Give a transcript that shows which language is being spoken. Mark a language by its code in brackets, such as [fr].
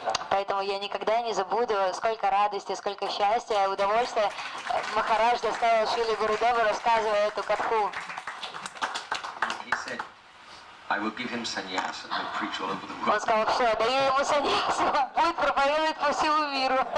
[ru] Поэтому я никогда не забуду, сколько радости, сколько счастья и удовольствия Махарадж доставил Шриле Гурудеву, рассказывая эту катху. [en] I will give him sannyas and he'll preach all over the world. [ru] Он сказал, что я даю ему сannyas, он будет проповедовать по всему миру.